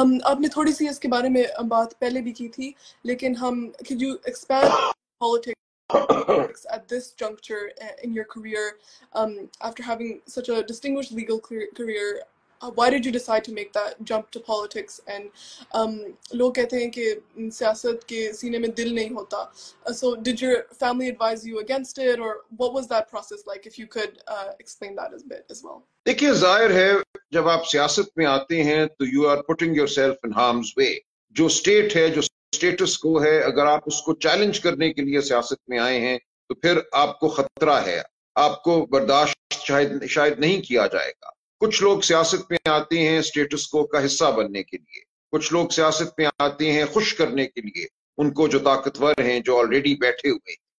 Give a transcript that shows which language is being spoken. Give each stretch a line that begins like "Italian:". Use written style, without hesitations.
Urdu: آپ نے تھوڑی سی اس کے بارے میں بات پہلے بھی کی تھی, لیکن ہم
English: could you expand politics at this juncture in your career, after having such a distinguished legal career, why did you decide to make that jump to politics?
Urdu: And لوگ کہتے ہیں کہ سیاست کے سینے میں دل نہیں ہوتا.
English: So did your family advise you against it, or what was that process like, if you could explain that a bit as well?
Urdu: دیکھیے, ظاہر ہے جب آپ سیاست میں آتے ہیں تو
English: You are putting yourself in harm's way.
Urdu: جو اسٹیٹ ہے, جو اسٹیٹس کو ہے, اگر آپ اس کو چیلنج کرنے کے لیے سیاست میں آئے ہیں تو پھر آپ کو خطرہ ہے. آپ کو برداشت شاید نہیں کیا جائے گا. کچھ لوگ سیاست میں آتے ہیں اسٹیٹس کو کا حصہ بننے کے لیے, کچھ لوگ سیاست میں آتے ہیں خوش کرنے کے لیے ان کو جو طاقتور ہیں, جو آلریڈی بیٹھے ہوئے.